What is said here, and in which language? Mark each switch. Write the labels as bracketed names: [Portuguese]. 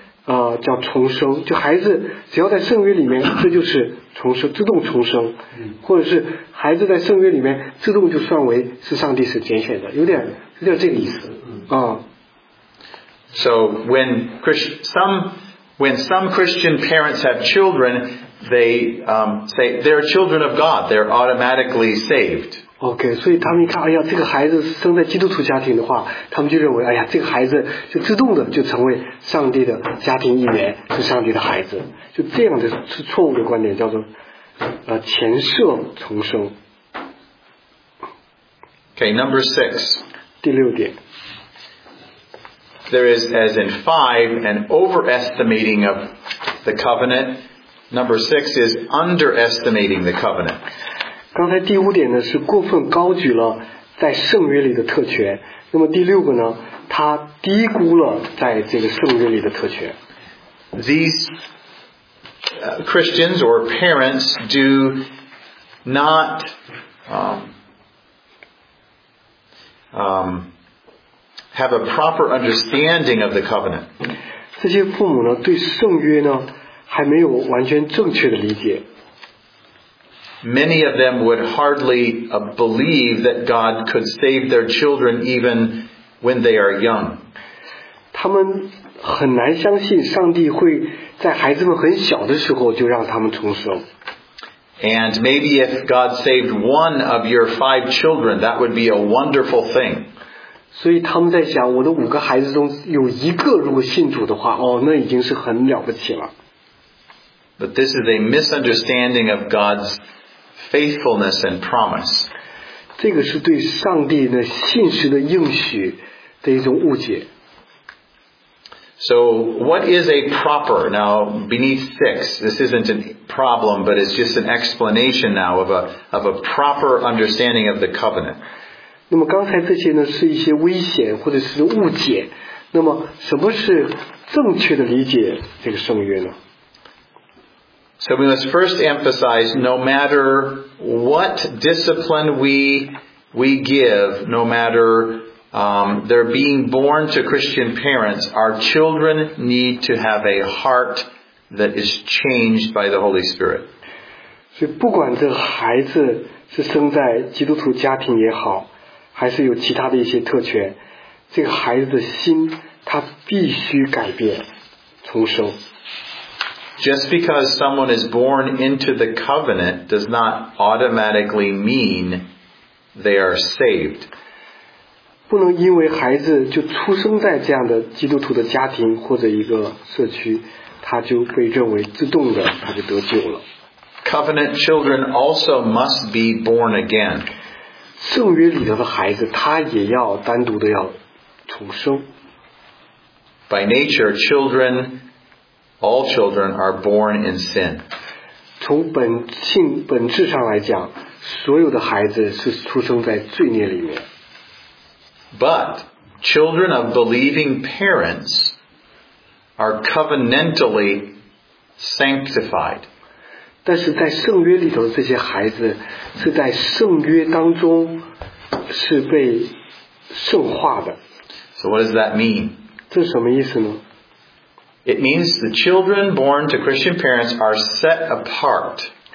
[Chinese] 叫重生，就孩子只要在圣约里面，这就是重生，自动重生，或者是孩子在圣约里面自动就算为是上帝所拣选的，有点这个意思啊。 [English] So when some Christian parents have children, they say they're children of God, they're automatically saved. [Chinese] Okay, 所以他们一看，哎呀，这个孩子生在基督徒家庭的话，他们就认为，哎呀，这个孩子就自动的就成为上帝的家庭一员，是上帝的孩子，就这样的是错误的观点，叫做前设重生。 [English] Okay, number six. [Chinese] 第六点。 [English] There is, as in five, an overestimating of the covenant. Number six is underestimating the covenant. [Chinese] 刚才第五点呢是过分高举了在圣约里的特权，那么第六个呢，他低估了在这个圣约里的特权。 [English] These Christians or parents do not have a proper understanding of the covenant. [Chinese] 这些父母呢，对圣约呢，还没有完全正确的理解。 [English] Many of them would hardly believe that God could save their children even when they are young. [Chinese] 他们很难相信上帝会在孩子们很小的时候就让他们重生。 [English] And maybe if God saved one of your five children, that would be a wonderful thing. [Chinese] 所以他们在想，我的五个孩子中有一个如果信主的话，哦，那已经是很了不起了。 [English] But this is a misunderstanding of God's faithfulness and promise. [Chinese] 这个是对上帝的信实的应许的一种误解。 [English] So what is a proper now beneath six? This isn't a problem, but it's just an explanation now of a proper understanding of the covenant. [Chinese] 那么刚才这些呢是一些危险或者是误解，那么什么是正确的理解这个圣约呢？ [English] So we must first emphasize, no matter what discipline we give, no matter they're being born to Christian parents, our children need to have a heart that is changed by the Holy Spirit. [Chinese] 所以不管这孩子是生在基督徒家庭也好，还是有其他的一些特权，这个孩子的心他必须改变重生。 [English] Just because someone is born into the covenant does not automatically mean they are saved. [Chinese] 不能因为孩子就出生在这样的基督徒的家庭或者一个社区，他就被认为自动的他就得救了。 [English] Covenant children also must be born again. [Chinese] 圣约里头的孩子，他也要单独的要重生。 [English] By nature, children, all children are born in sin. [Chinese] 从本性本质上来讲，所有的孩子是出生在罪孽里面。 [English] But children of believing parents are covenantally sanctified. [Chinese] 但是在圣约里头，这些孩子是在圣约当中是被圣化的。 [English] So what does that mean? [Chinese] 这什么意思呢？ [English] It means the children born to Christian parents are set apart.